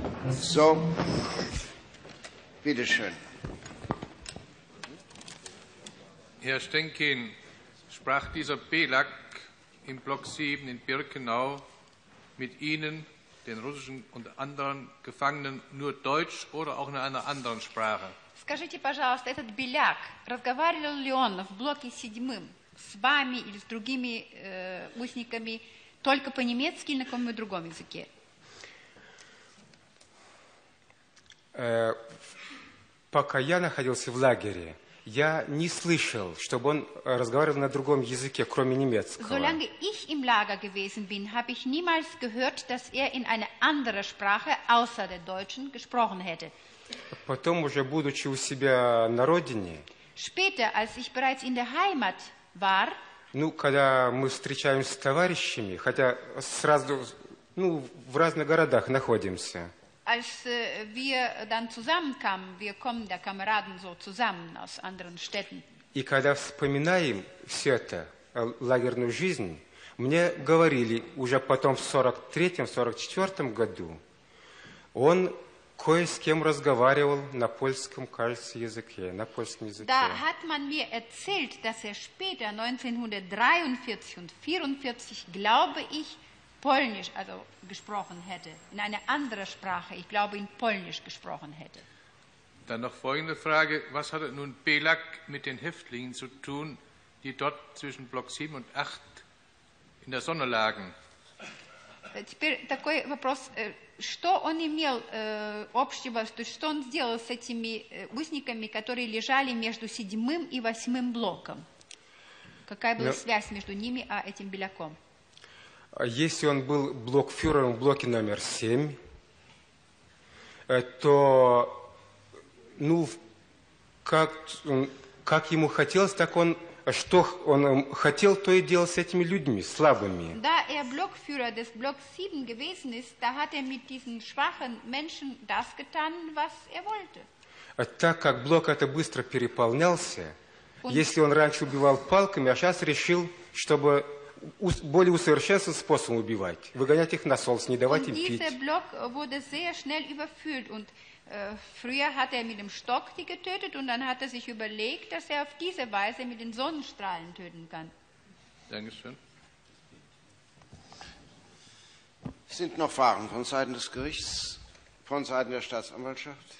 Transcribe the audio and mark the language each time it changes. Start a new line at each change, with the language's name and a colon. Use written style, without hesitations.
German: So, bitteschön. Herr Stenkin, sprach dieser Belak im Block 7 in Birkenau mit Ihnen, den russischen und anderen Gefangenen, nur Deutsch oder auch in einer anderen Sprache?
Russian: Скажите, пожалуйста, этот беляк, разговаривал ли он в блоке седьмым с вами или с другими узниками только по-немецки или на каком-нибудь другом языке? Пока я находился в лагере, я не слышал, чтобы он разговаривал на другом языке, кроме немецкого.
German: Solange ich im Lager gewesen bin, habe ich niemals gehört, dass in einer anderen Sprache außer der Deutschen gesprochen hätte.
Russian: Потом уже будучи у себя на родине.
German: Später, als ich bereits in der Heimat war.
Russian: Ну, когда мы встречаемся с товарищами, хотя сразу, ну, в разных городах находимся.
German: Als wir dann zusammenkamen, wir kommen der Kameraden so zusammen aus anderen Städten.
Russian: И когда вспоминаем все это, лагерную жизнь, мне говорили уже потом в 43-44 году, он кое с кем разговаривал на польском, кажется, языке, на польском языке.
German: Da hat man mir erzählt, dass später, 1943 und 44, glaube ich, Polnisch, also gesprochen hätte, in einer anderen Sprache, ich glaube, in Polnisch gesprochen hätte. Dann noch folgende Frage, was hat nun Belak mit den Häftlingen zu tun, die dort zwischen Block 7 und 8 in der Sonne lagen?
Russian: Теперь такой вопрос, что он имел общего, то есть что он сделал с этими узниками, которые лежали между 7 и 8 блоком? Какая была связь между ними и этим Беляком? Если он был блокфюрером в блоке номер 7, то, ну, как ему хотелось, так он, что он хотел, то и делал с этими людьми, слабыми.
German: Да, er Blockführer des Block 7 gewesen ist, da hat mit diesen schwachen Menschen das getan, was wollte.
Russian: Так как блок это быстро переполнялся, если он раньше убивал палками, а сейчас решил, чтобы более усовершенствованным способом убивать, выгонять их на солнце, не давать им пить.
German: Dieser Block wurde sehr schnell überfüllt und früher hat mit dem Stock die getötet und dann hat sich überlegt, dass auf diese Weise mit den Sonnenstrahlen töten kann. Dankeschön. Sind noch Fragen von Seiten des Gerichts, von Seiten der Staatsanwaltschaft?